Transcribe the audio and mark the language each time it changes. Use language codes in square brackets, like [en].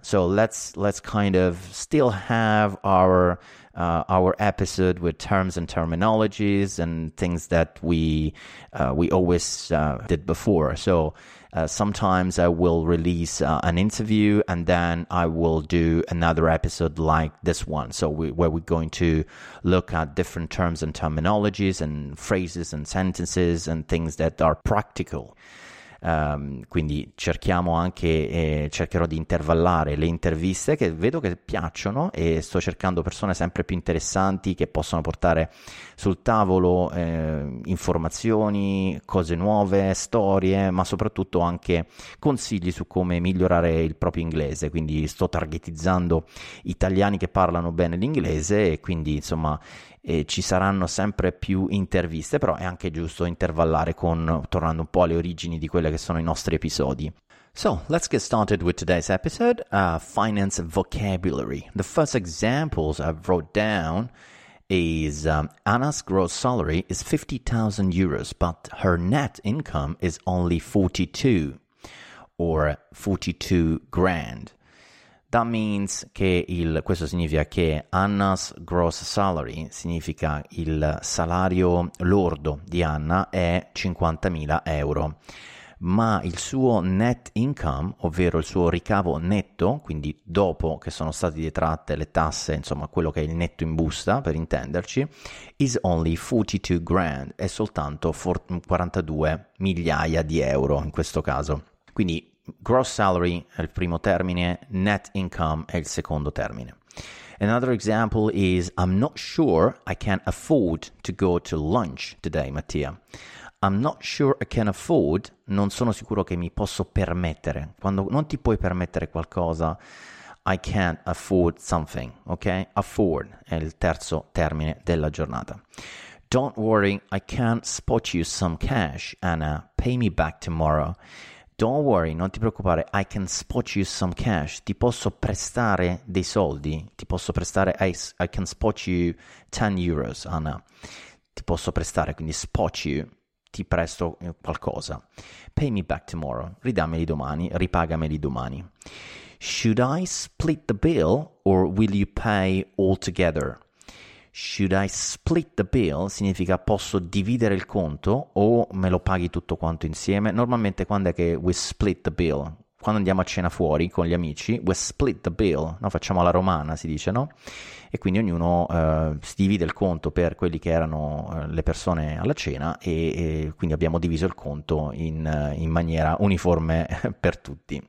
[en] So let's kind of still have our episode with terms and terminologies and things that we always did before. So sometimes I will release an interview and then I will do another episode like this one. So where we're going to look at different terms and terminologies and phrases and sentences and things that are practical. [it] Quindi cerchiamo anche, cercherò di intervallare le interviste che vedo che piacciono e sto cercando persone sempre più interessanti che possono portare sul tavolo informazioni, cose nuove, storie, ma soprattutto anche consigli su come migliorare il proprio inglese. Quindi sto targetizzando italiani che parlano bene l'inglese e quindi insomma e ci saranno sempre più interviste, però è anche giusto intervallare con, tornando un po' alle origini di quelle che sono i nostri episodi. [en] So, let's get started with today's episode, finance vocabulary. The first examples I've wrote down is Anna's gross salary is 50,000 euros, but her net income is only 42, or 42 grand. That means [it] che questo significa che [en] Anna's gross salary [it] significa il salario lordo di Anna è 50.000 euro, ma il suo net income, ovvero il suo ricavo netto, quindi dopo che sono state detratte le tasse, insomma quello che è il netto in busta per intenderci, [en] is only 42 grand, [it] è soltanto 42 migliaia di euro in questo caso. Quindi gross salary è il primo termine, net income è il secondo termine. [en] Another example is I'm not sure I can afford to go to lunch today, Mattia. I'm not sure I can afford, [it] non sono sicuro che mi posso permettere. Quando non ti puoi permettere qualcosa, [en] I can't afford something, [it] ok? Afford è il terzo termine della giornata. [en] Don't worry, I can spot you some cash, Anna. Pay me back tomorrow. Don't worry, [it] non ti preoccupare, [en] I can spot you some cash. [it] Ti posso prestare dei soldi, ti posso prestare, [en] I can spot you 10 euros, Anna. [it] Ti posso prestare, quindi spot you, ti presto qualcosa. [en] Pay me back tomorrow, [it] ridammeli domani, ripagameli domani. [en] Should I split the bill or will you pay all together? Should I split the bill [it] significa posso dividere il conto o me lo paghi tutto quanto insieme? Normalmente quando è che [en] we split the bill? [it] Quando andiamo a cena fuori con gli amici, we split the bill, no? Facciamo alla romana, si dice, no? E quindi ognuno si divide il conto per quelli che erano le persone alla cena e quindi abbiamo diviso il conto in maniera uniforme per tutti.